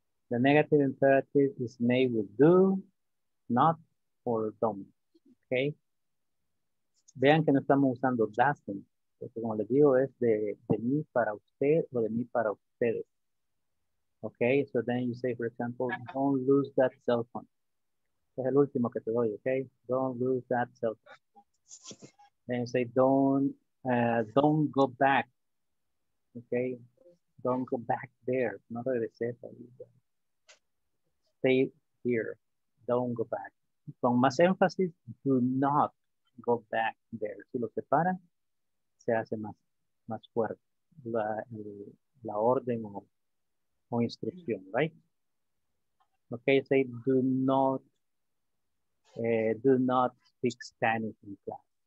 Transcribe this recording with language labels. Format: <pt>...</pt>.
<en>The negative imperative is made with do, not, or don't.</en> <es>Okay. Vean que no estamos usando doesn't. Porque como les digo, es de mí para usted o de mí para ustedes.</es> <en>Okay, so then you say, for example, don't lose that cell phone.</en> <es>Es el último que te doy, okay?</es> <en>Don't lose that cell phone. Then you say, don't go back. Okay, don't go back there.</en> <es>No regreses ahí.</es> <en>Stay here. Don't go back.</en> <es>Con más énfasis,</es> <en>do not go back there.</en> <es>Si lo separan, se hace más fuerte la orden o instrucción, right? Okay, say do not speak Spanish in class.</es>